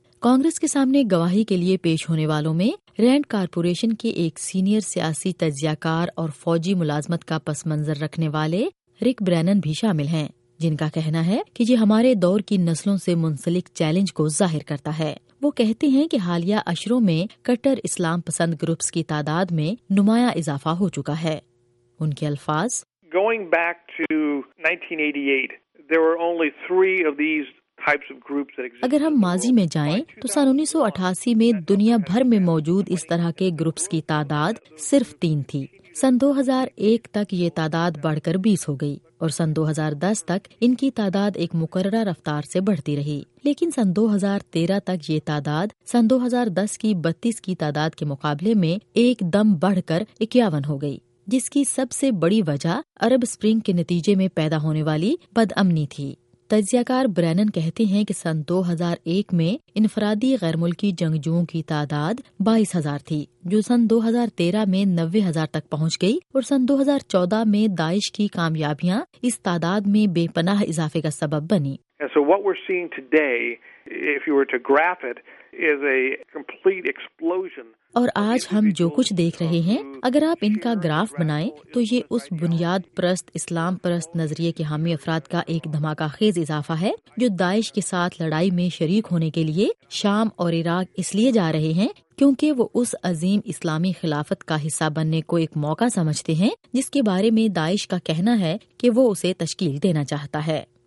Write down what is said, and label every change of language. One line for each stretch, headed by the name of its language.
Urdu: کانگریس کے سامنے گواہی کے لیے پیش ہونے والوں میں رینڈ کارپوریشن کے ایک سینئر سیاسی تجزیہ کار اور فوجی ملازمت کا پس منظر رکھنے والے رک برینن بھی شامل ہیں جن کا کہنا ہے کہ یہ ہمارے دور کی نسلوں سے منسلک چیلنج کو ظاہر کرتا ہے. وہ کہتے ہیں کہ حالیہ عشروں میں کٹر اسلام پسند گروپس کی تعداد میں نمایاں اضافہ ہو چکا ہے. ان کے الفاظ:
English: Going back to 1988, there were only three of these types of groups that existed.
Urdu: اگر ہم ماضی میں جائیں تو سن 1988 میں دنیا بھر میں موجود اس طرح کے گروپس کی تعداد صرف 3 تھی. سن 2001 تک یہ تعداد بڑھ کر 20 ہو گئی اور سن 2010 تک ان کی تعداد ایک مقررہ رفتار سے بڑھتی رہی لیکن سن 2013 تک یہ تعداد سن 2010 کی 32 کی تعداد کے مقابلے میں ایک دم بڑھ کر 51 ہو گئی جس کی سب سے بڑی وجہ عرب سپرنگ کے نتیجے میں پیدا ہونے والی بد امنی تھی. تجزیہ کار برینن کہتے ہیں کہ سن 2001 میں انفرادی غیر ملکی جنگجوؤں کی تعداد 22,000 تھی جو سن 2013 میں 90,000 تک پہنچ گئی اور سن 2014 میں داعش کی کامیابیاں اس تعداد میں بے پناہ اضافے کا سبب بنی.
English: So what we're seeing today, if you were to graph it, is a complete explosion.
Urdu: اور آج ہم جو کچھ دیکھ رہے ہیں اگر آپ ان کا گراف بنائیں تو یہ اس بنیاد پرست اسلام پرست نظریے کے حامی افراد کا ایک دھماکہ خیز اضافہ ہے جو داعش کے ساتھ لڑائی میں شریک ہونے کے لیے شام اور عراق اس لیے جا رہے ہیں کیونکہ وہ اس عظیم اسلامی خلافت کا حصہ بننے کو ایک موقع سمجھتے ہیں جس کے بارے میں داعش کا کہنا ہے کہ وہ اسے تشکیل دینا چاہتا ہے.